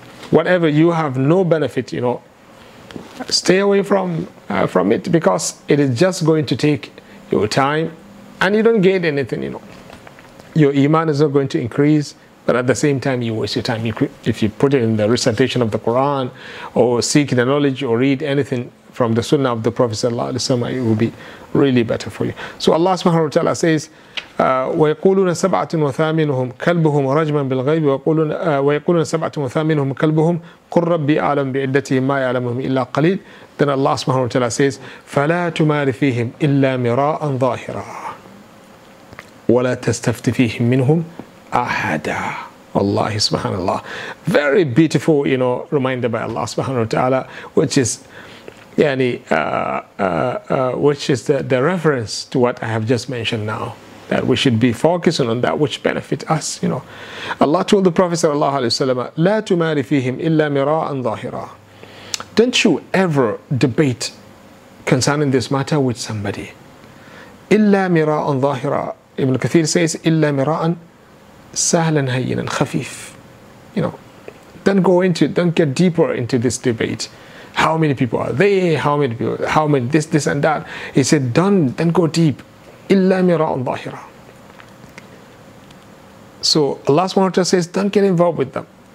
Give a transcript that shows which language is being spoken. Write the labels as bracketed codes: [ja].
[en] Whatever you have no benefit, you know, stay away from it, because it is just going to take your time and you don't gain anything, you know. Your iman is not going to increase, but at the same time you waste your time. If you put it in the recitation of the Quran or seek the knowledge or read anything from the Sunnah of the Prophet sallallahu alaihi wasallam, it will be really better for you. So Allah subhanahu wa ta'ala says, [ar] ويقولون سبعة وثامنهم كلبهم رجما بالغيب ويقولون سبعة وثامنهم كلبهم قل ربي أعلم بعدتهم ما يعلمهم إلا قليل. [en] Then Allah subhanahu wa ta'ala says, [ar] فلا تمار فيهم إلا مراء ظاهرا ولا تستفت فيهم منهم أحدا. Allah subhanallah. [en] Very beautiful, you know, reminder by Allah subhanahu wa ta'ala, which is the reference to what I have just mentioned now. That we should be focusing on that which benefit us, you know. Allah told the Prophet sallallahu alaihi wasallam, [ar] لا تمار فيهم إلا مراء ظاهرا. [en] Don't you ever debate concerning this matter with somebody. [ar] إلا مراء ظاهرا. [en] Ibn Kathir says, [ar] إلا مراء سهلا هينا خفيف. [en] You know, don't get deeper into this debate. How many people are they? How many people? How many this, this and that? He said, don't go deep. [ar] إِلَّا مِرَاءٌ ظَاهِرَةٌ. [en] So Allah subhanahu wa ta'ala says, don't get involved with them.